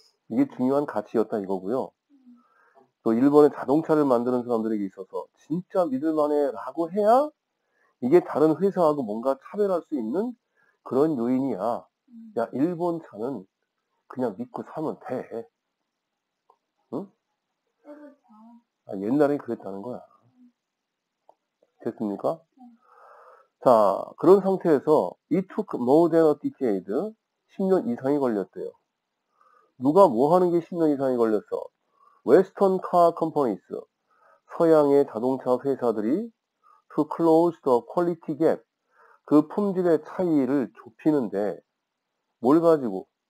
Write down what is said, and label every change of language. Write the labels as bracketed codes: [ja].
[ko] 이게 중요한 가치였다 이거고요. 또 일본의 자동차를 만드는 사람들에게 있어서 진짜 믿을만해라고 해야 이게 다른 회사하고 뭔가 차별할 수 있는 그런 요인이야. 야, 일본 차는 그냥 믿고 사면 돼. 응? 아, 옛날에 그랬다는 거야. 됐습니까? 자, 그런 상태에서 [en] It took more than a decade. [ko] 10년 이상이 걸렸대요. 누가 뭐 하는 게 10년 이상이 걸렸어? [en] Western car companies, [ko] 서양의 자동차 회사들이 [en] to close the quality gap, [ko] 그 품질의 차이를 좁히는데 뭘 가지고?